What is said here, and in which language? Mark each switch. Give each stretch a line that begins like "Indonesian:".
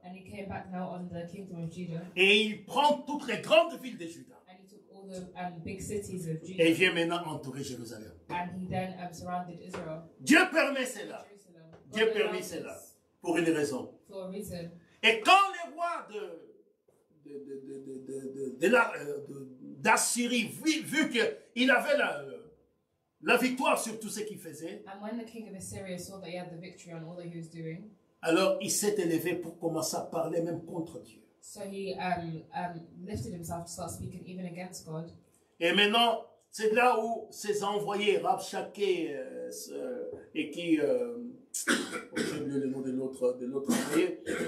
English: And he came back now on the kingdom of Judah.
French: Et il prend toutes les grandes villes de Juda.
English: And he took all the big cities of
French: Judah. Et il vient maintenant entourer Jérusalem.
English: And he then surrounded Israel.
French: Dieu permet cela. Dieu permet cela pour une raison.
English: For a reason.
French: Et quand les rois d'Assyrie vu que il avait la victoire sur tout ce qu'il faisait.
English: And when the king of Assyria saw that he had the victory on all that he was doing.
French: Alors il s'est élevé pour commencer à parler même contre Dieu.
English: So he lifted himself to start speaking even against God.
French: Et maintenant, c'est là où ses envoyés Rabshakeh et qui j'ai oublié le nom de l'autre envoyé.